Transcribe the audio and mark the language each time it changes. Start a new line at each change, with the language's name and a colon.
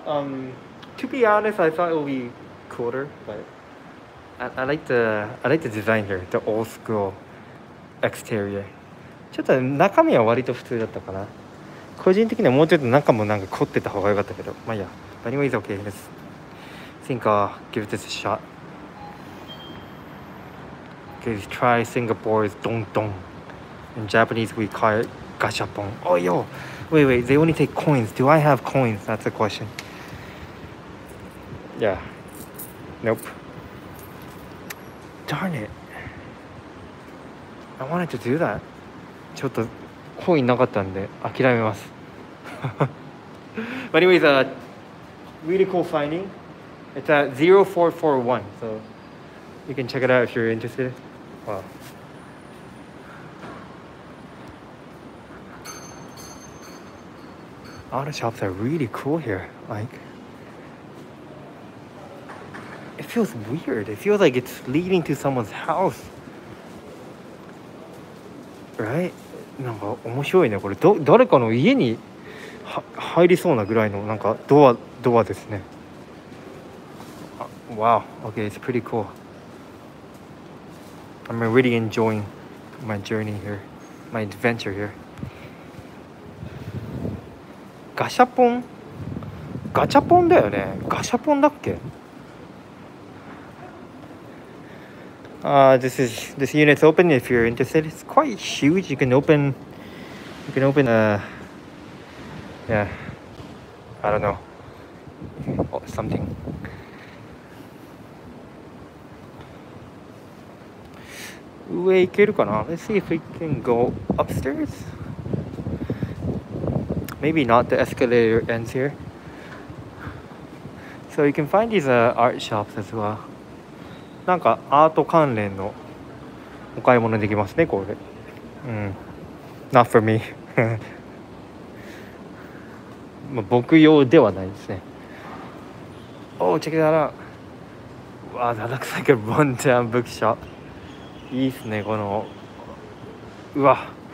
English: To be honest, I thought it would be cooler, but I like the design here, the old school exterior.
Japanese: ちょっと中身は割と普通だったかな。個人的にはもうちょっと中もなんか凝ってた方が良かったけど、まあいいや。
English: But anyways, okay. Let's think. Give this a shot. Is try Singapore's dong dong. In Japanese, we call it gashapon. Oh, yo! Wait, they only take coins. Do I have coins? That's the question. Yeah. Nope. Darn it. I wanted to do that.
Japanese: ちょっとコインなかったんで諦めます。
English: But anyways, really cool finding. It's at 0441. So you can check it out if you're interested. Wow. Auto shops are really cool here. Like, it feels weird. It feels like it's leading to someone's house. Right?
Japanese: なんか面白いね。これ誰かの家に入りそうなぐらいのなんかドアですね。
English: Wow. Okay, it's pretty cool. I'm really enjoying my journey here, my adventure here.
Japanese: ガシャポン、ガチャポンだよね。ガシャポンだっけ？
English: This unit's open if you're interested. It's quite huge. You can open a Yeah, I don't know. Or something. Let's see if we can go upstairs. Maybe not, the escalator ends here. So you can find these art shops as well.
Japanese: なんかアート関連のお買い物できますね、これ。
English: Not for me.
Japanese: まあ僕用ではないですね。
English: Oh, check it out. Wow, that looks like a rundown bookshop.
Japanese: いいっすね、この。うわ。